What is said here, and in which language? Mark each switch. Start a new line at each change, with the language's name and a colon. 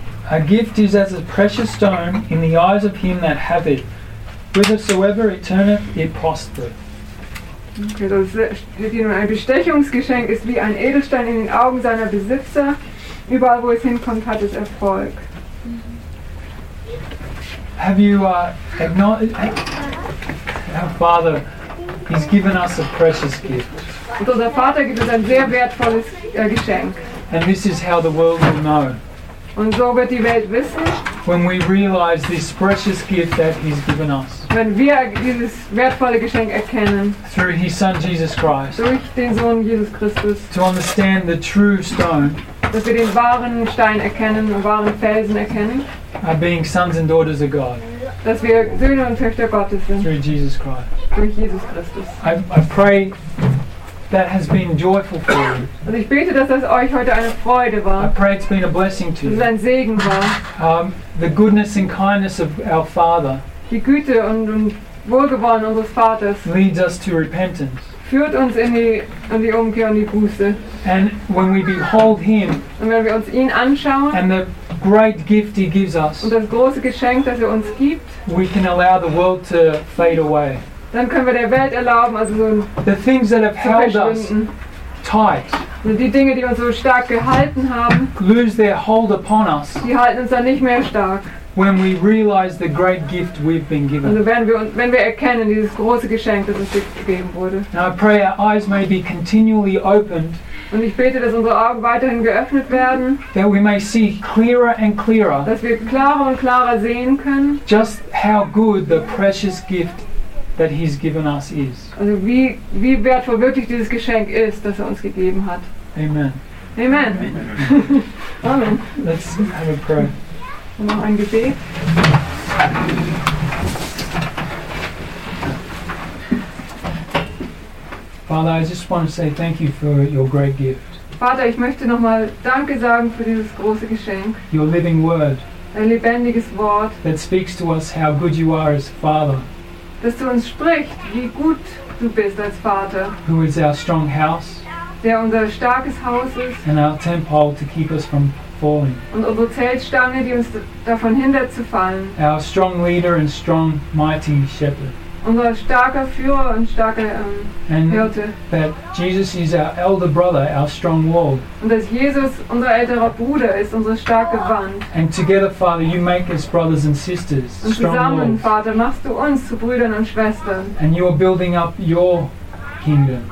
English: A gift is as a precious stone in the eyes of him that hath it. Whithersoever it turneth, it prospereth.
German: Okay, das steht hier nun. Ein Bestechungsgeschenk ist wie ein Edelstein in den Augen seiner Besitzer. Überall, wo es hinkommt, hat es Erfolg.
English: Have you acknowledged? Our Father, He's given us a precious gift.
German: Und unser Vater gibt uns ein sehr wertvolles Geschenk.
English: And this is how the world will know.
German: Und so wird die Welt wissen,
English: when we realize this precious gift that He's given us,
German: wenn wir dieses wertvolle Geschenk erkennen,
English: through His Son Jesus Christ,
German: durch den Sohn Jesus Christus,
English: to understand the true stone,
German: dass wir den wahren Stein erkennen, den wahren Felsen erkennen,
English: being sons and daughters of God,
German: dass wir Söhne und Töchter Gottes sind,
English: through Jesus Christ,
German: durch Jesus Christus.
English: I pray that has been joyful for you.
German: Und ich bete, dass das euch heute eine Freude war.
English: I pray it's been a blessing to you.
German: Dass es ein Segen war.
English: The goodness and kindness of our Father.
German: Die Güte und Wohlgewollen unseres Vaters.
English: Leads us to repentance.
German: Führt uns in die Umkehr und die Buße.
English: And when we behold Him.
German: Und wenn wir uns ihn anschauen.
English: And the great gift He gives us.
German: Und das große Geschenk, das er uns gibt.
English: We can allow the world to fade away.
German: Dann können wir der Welt erlauben, also so
English: the things that have held us tight,
German: die Dinge, die uns so stark gehalten haben,
English: lose their hold upon us,
German: die halten uns dann nicht mehr stark,
English: when we realize the great gift we've been given.
German: Also wenn wir erkennen, dieses große Geschenk, das uns gegeben wurde.
English: Now I pray our eyes may be continually opened,
German: und ich bete, dass unsere Augen weiterhin geöffnet werden,
English: that we may see clearer and clearer,
German: dass wir klarer und klarer sehen können,
English: just how good the precious gift that He's given us is.
German: Also wie wertvoll wirklich dieses Geschenk ist, das er uns gegeben hat.
English: Amen.
German: Amen.
English: Amen. Amen. Let's have a prayer.
German: Noch ein Gebet.
English: Father, I just want to say thank you for your great gift.
German: Vater, ich möchte nochmal Danke sagen für dieses große Geschenk.
English: Your living word.
German: Dein lebendiges Wort.
English: That speaks to us how good you are as Father.
German: Dass du uns sprichst, wie gut du bist als Vater.
English: Who is our strong house?
German: Der unser starkes Haus ist.
English: And our tent pole to keep us from falling.
German: Und unsere Zeltstange, die uns davon hindert zu fallen.
English: Our strong leader and strong mighty shepherd.
German: Unser starker Führer und starker Hirte.
English: That Jesus is our elder brother, our strong wall.
German: Und dass Jesus unser älterer Bruder ist, unsere starke Wand.
English: And together, Father, you make us brothers and sisters,
German: und
English: strong
German: zusammen,
English: walls.
German: Vater, machst du uns zu Brüdern und Schwestern.
English: And you are building up your kingdom.